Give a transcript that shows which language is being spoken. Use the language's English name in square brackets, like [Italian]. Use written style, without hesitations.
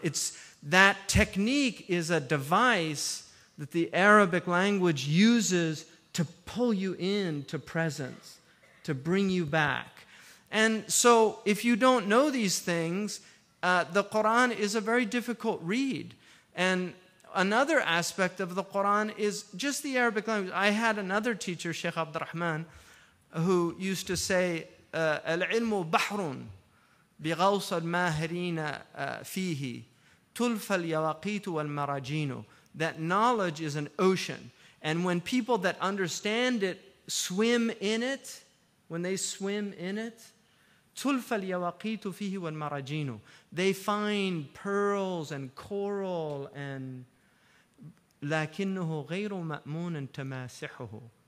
[English] It's that technique is a device that the Arabic language uses to pull you in to presence, to bring you back. And so if you don't know these things, the Quran is a very difficult read. And another aspect of the Quran is just the Arabic language. I had another teacher, Sheikh Abdurrahman, who used to say, [Arabic] العلم بحر بغوص الماهرين فيه تلف اليواقيت والمراجين. [English] That knowledge is an ocean, and when people that understand it swim in it, when they swim in it, [Arabic] تلف اليواقيت فيه والمراجين, [English] they find pearls and coral and [Arabic] لكنه غير مأمون تماسحه.